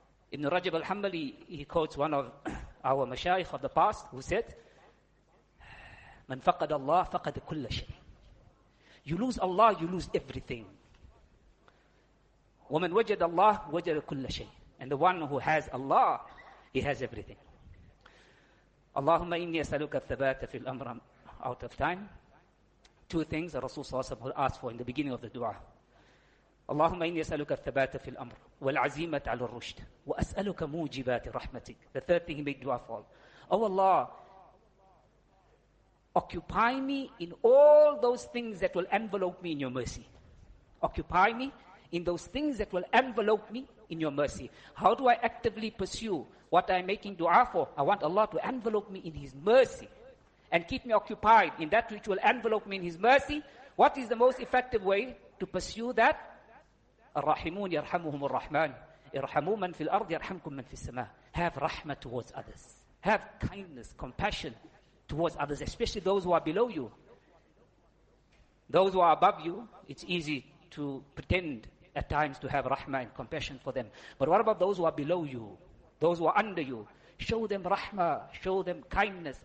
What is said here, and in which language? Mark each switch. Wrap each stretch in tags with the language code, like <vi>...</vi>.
<en>Ibn Rajab al-Hanbali, he quotes one of our mashayikh of the past who said,</en> <ar>من فقد الله فقد كل شيء.</ar> <en>You lose Allah, you lose everything.</en> <ar>ومن وجد الله وجد كل شيء.</ar> <en>And the one who has Allah, he has everything.</en> <ar>اللهم إني أسألك الثبات في الأمر.</ar> <en>Out of time. Two things that Rasul Sallallahu Alaihi Wasallam asked for in the beginning of the dua.</en> <ar>اللهم إني أسألك الثبات في الأمر والعزيمة على الرشد وأسألك موجبات رحمتك.</ar> <en>The third thing he made dua for. Oh Allah, occupy me in all those things that will envelope me in your mercy. Occupy me in those things that will envelope me in your mercy. How do I actively pursue what I'm making dua for? I want Allah to envelope me in His mercy and keep me occupied in that which will envelope me in His mercy. What is the most effective way to pursue that?</en> <ar>الرحمون يرحمهم الرحمن ارحموا من في الأرض يرحمكم من في السماء.</ar> <en>Have rahmah towards others. Have kindness, compassion towards others, especially those who are below you. Those who are above you, it's easy to pretend at times to have rahmah and compassion for them. But what about those who are below you? Those who are under you? Show them rahmah, show them kindness.</en>